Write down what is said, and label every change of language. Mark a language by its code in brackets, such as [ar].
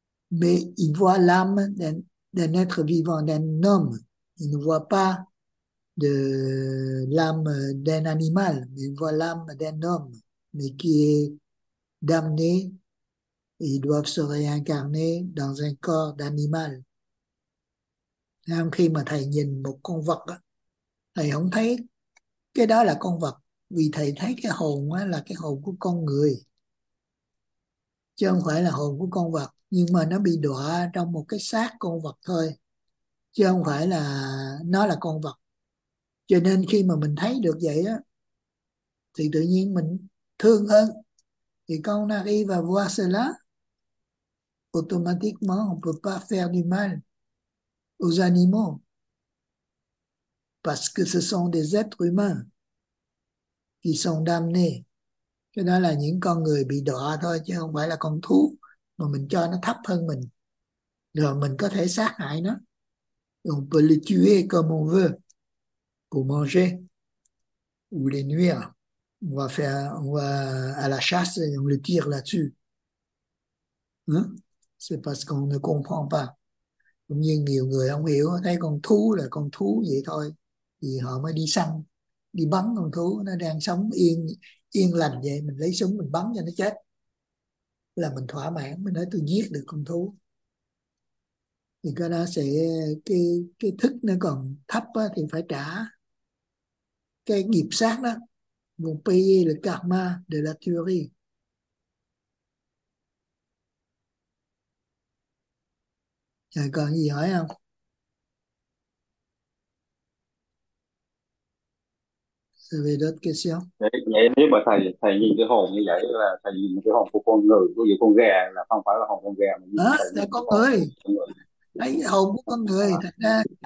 [fr] Mais il voit l'âme d'un être vivant, d'un homme. Il ne voit pas de l'âme d'un animal, mais il voit l'âme d'un homme, mais qui est damné. Ils doivent se réincarner dans un corps d'animal. [vi] Khi mà thầy nhìn một con vật, thầy không thấy cái đó là con vật, vì thầy thấy cái hồn là cái hồn của con người, chứ không phải là hồn của con vật. Nhưng mà nó bị đọa trong một cái xác con vật thôi, chứ không phải là nó là con vật. Cho nên khi mà mình thấy được vậy á, thì tự nhiên mình thương hơn. [fr] Thì quand on arrive à voir cela, automatiquement, on ne peut pas faire du mal aux animaux parce que ce sont des êtres humains qui sont damnés. [vi] Cho nên là những con người bị đọa thôi, chứ không phải là con thú mà mình cho nó thấp hơn mình. Rồi mình có thể sát hại nó. [fr] On peut le tuer comme on veut pour manger ou les nuire. On va à la chasse et on le tire là-dessus. Hein? C'est parce qu'on ne comprend pas. [vi] Cũng như nhiều người không hiểu, thấy con thú là con thú vậy thôi, thì họ mới đi săn, đi bắn con thú, nó đang sống yên yên lành vậy, mình lấy súng mình bắn cho nó chết là mình thỏa mãn, mình nói tôi giết được con thú. Thì cái đó sẽ cái thức nó còn thấp á, thì phải trả cái nghiệp sát đó. [fr] Vous payez le karma de la tuerie. [vi] Rồi còn gì hỏi không? [fr] Vous avez d'autres questions? [vi] Vậy nếu mà thầy nhìn cái hồn như vậy, là thầy nhìn cái hồn của con người, ví dụ con gà là không phải là hồn con gà. Đó, là con người. Đấy, hồn của con người. Thật ra,